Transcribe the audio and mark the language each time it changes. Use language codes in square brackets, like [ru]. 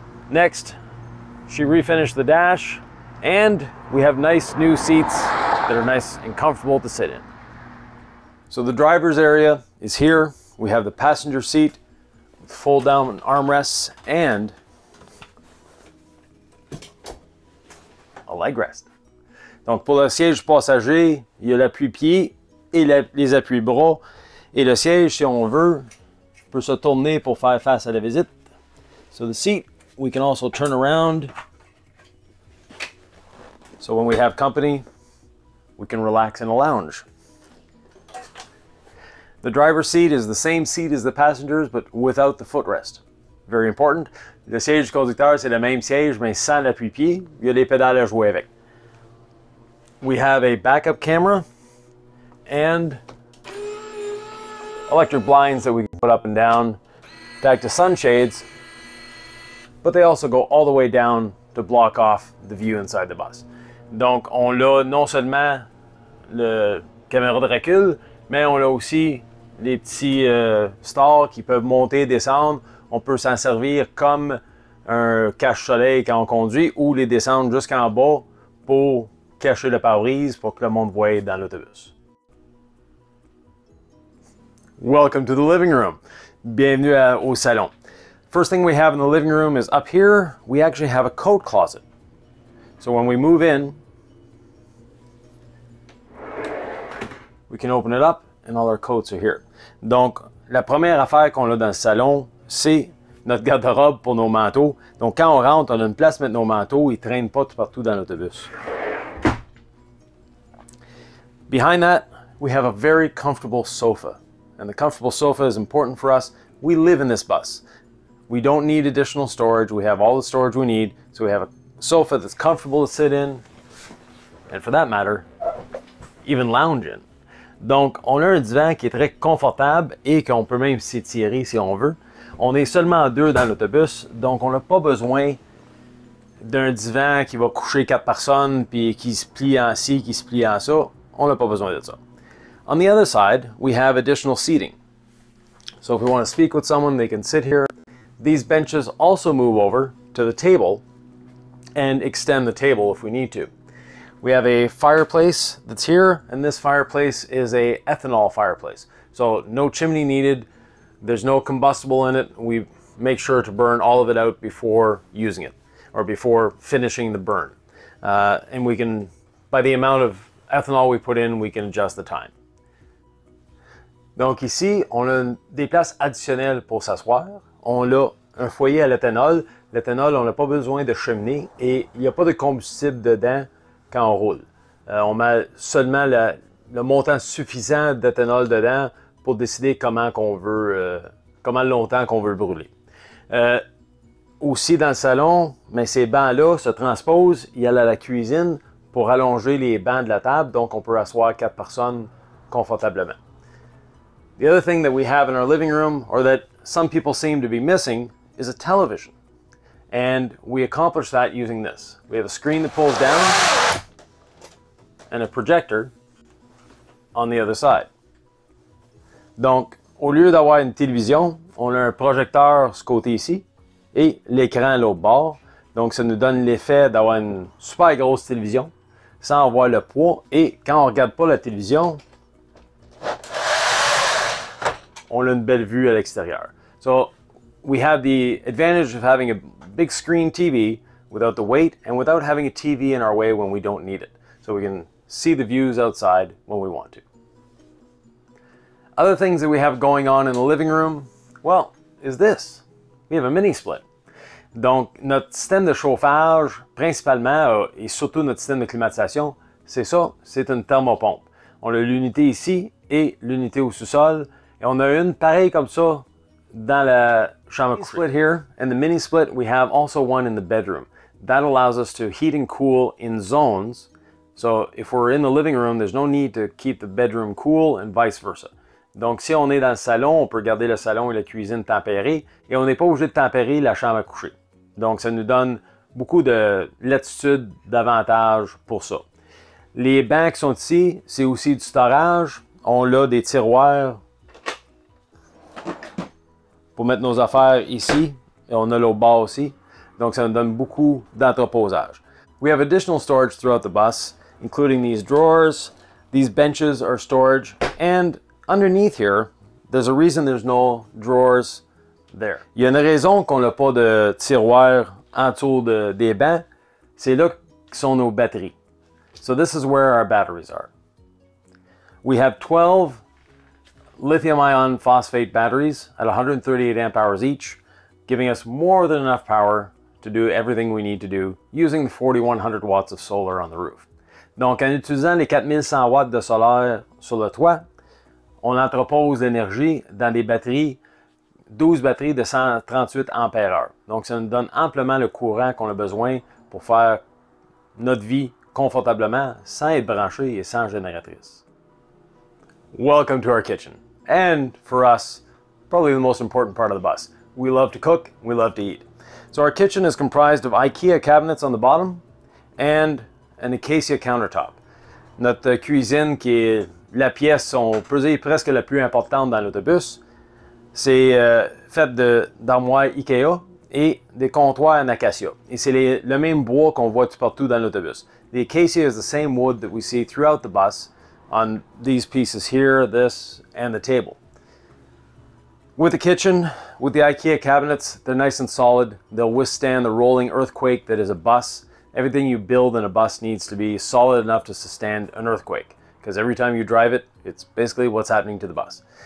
[en] Next, she refinished the dash, and we have nice new seats that are nice and comfortable to sit in. So the driver's area is here. We have the passenger seat with fold down armrests and a leg rest. [fr] Donc pour le siège passager, il y a l'appui-pied et les appuis-bras. Et le siège, si on veut, peut se tourner pour faire face à la visite. [en] So the seat, we can also turn around. So when we have company, we can relax in a lounge. The driver's seat is the same seat as the passengers, but without the footrest. Very important. [fr] Le siège conducteur, c'est le même siège, mais sans l'appui-pied. Il y a les pédales à jouer avec. [en] We have a backup camera and electric blinds that we can put up and down back to sunshades, but they also go all the way down to block off the view inside the bus. [fr] Donc, on a non seulement le caméra de recul, mais on a aussi les petits stars qui peuvent monter, descendre. On peut s'en servir comme un cache-soleil quand on conduit ou les descendre jusqu'en bas pour cacher le pare-brise pour que le monde voie dans l'autobus. [en] Welcome to the living room. [fr] Bienvenue au salon. [en] First thing we have in the living room is up here, we actually have a coat closet. So when we move in, we can open it up and all our coats are here. [fr] Donc, la première affaire qu'on a dans le salon, c'est notre garde-robe pour nos manteaux. Donc, quand on rentre, on a une place pour mettre nos manteaux. Ils ne traînent pas tout partout dans l'autobus. [en] Behind that, we have a very comfortable sofa. And the comfortable sofa is important for us. We live in this bus. We don't need additional storage. We have all the storage we need. So, we have a sofa that's comfortable to sit in. And for that matter, even lounge in. [fr] Donc, on a un divan qui est très confortable et qu'on peut même s'étirer si on veut. On est seulement deux dans l'autobus, donc on n'a pas besoin d'un divan qui va coucher quatre personnes puis qui se plie en ci, qui se plie en ça. On n'a pas besoin de ça. [en] On the other side, we have additional seating. So if we want to speak with someone, they can sit here. These benches also move over to the table and extend the table if we need to. We have a fireplace that's here, and this fireplace is a ethanol fireplace. So no chimney needed, there's no combustible in it. We make sure to burn all of it out before using it, or before finishing the burn. And we can, by the amount of ethanol we put in, we can adjust the time. [fr] Donc ici, on a des places additionnelles pour s'asseoir. On a un foyer à l'éthanol. L'éthanol, on n'a pas besoin de cheminée, et il n'y a pas de combustible dedans. Quand on roule. On met seulement le montant suffisant d'éthanol dedans pour décider comment qu'on veut, comment longtemps qu'on veut brûler. Aussi dans le salon, mais ces bancs-là se transposent, ils allent à la cuisine pour allonger les bancs de la table, donc on peut asseoir quatre personnes confortablement. [en] The other thing that we have in our living room, or that some people seem to be missing, is a television. And we accomplish that using this. We have a screen that pulls down and a projector on the other side. [fr] Donc, au lieu d'avoir une télévision, on a un projecteur ce côté ici et l'écran à l'autre bord. Donc, ça nous donne l'effet d'avoir une super grosse télévision sans avoir le poids. Et quand on ne regarde pas la télévision, on a une belle vue à l'extérieur. [en] So, we have the advantage of having a big screen TV without the weight and without having a TV in our way when we don't need it. So we can see the views outside when we want to. Other things that we have going on in the living room, well, is this. We have a mini split. [fr] Donc, notre système de chauffage, principalement, et surtout notre système de climatisation, c'est ça, c'est une thermopompe. On a l'unité ici et l'unité au sous-sol, et on a une pareille comme ça dans la chambre [en] split here, and the mini split, we have also one in the bedroom. That allows us to heat and cool in zones. So if we're in the living room, there's no need to keep the bedroom cool and vice versa. [fr] Donc si on est dans le salon, on peut garder le salon et la cuisine tempérée et on n'est pas obligé de tempérer la chambre à coucher. Donc ça nous donne beaucoup de latitude, d'avantages pour ça. Les bancs qui sont ici, c'est aussi du storage. On a des tiroirs pour mettre nos affaires ici et on a le bas aussi. Donc ça nous donne beaucoup d'entreposage. [en] We have additional storage throughout the bus, including these drawers, these benches are storage, and underneath here, there's a reason there's no drawers there. [fr] Il y a une raison qu'on n'a pas de tiroir autour des bancs, c'est là que sont nos batteries. [en] So this is where our batteries are. We have 12 lithium ion phosphate batteries at 138 amp hours each, giving us more than enough power to do everything we need to do using the 4100 watts of solar on the roof. [fr] Donc en utilisant les 4100 watts de solaire sur le toit, on entrepose l'énergie dans des batteries, 12 batteries de 138 ampères-heure. Donc ça nous donne amplement le courant qu'on a besoin pour faire notre vie confortablement sans être branché et sans génératrice. [en] Welcome to our kitchen. And for us, probably the most important part of the bus. We love to cook, we love to eat. So our kitchen is comprised of IKEA cabinets on the bottom and an acacia countertop. [fr] Notre cuisine, qui est la pièce, on peut dire presque la plus importante dans l'autobus, c'est faite de d'armoires IKEA et des comptoirs en acacia. Et c'est le même bois qu'on voit partout dans l'autobus. [en] The acacia is the same wood that we see throughout the bus on these pieces here, this, and the table. With the kitchen, with the IKEA cabinets, they're nice and solid. They'll withstand the rolling earthquake that is a bus. Everything you build in a bus needs to be solid enough to sustain an earthquake, because every time you drive it, it's basically what's happening to the bus.